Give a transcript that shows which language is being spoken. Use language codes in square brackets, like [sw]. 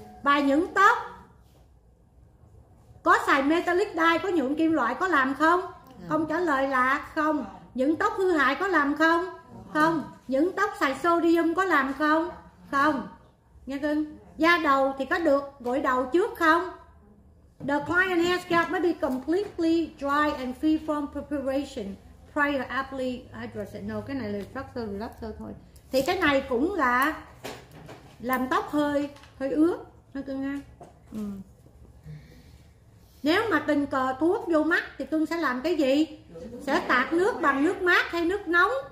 [vi] Và những tóc có xài metallic dye, có nhuộm kim loại có làm không? Không, trả lời là không. Những tóc hư hại có làm không? Không. Những tóc xài sodium có làm không? Không. Nghe cưng. Da đầu thì có được gội đầu trước không? [en] The client hair scalp may be completely dry and free from preparation prior apply hydration. [vi] No, cái này là relaxer, relaxer thôi. Thì cái này cũng là làm tóc hơi hơi ướt. Nghe cưng ha. Ừ. Nếu mà tình cờ thuốc vô mắt thì cưng sẽ làm cái gì? Sẽ tạt nước bằng nước mát hay nước nóng?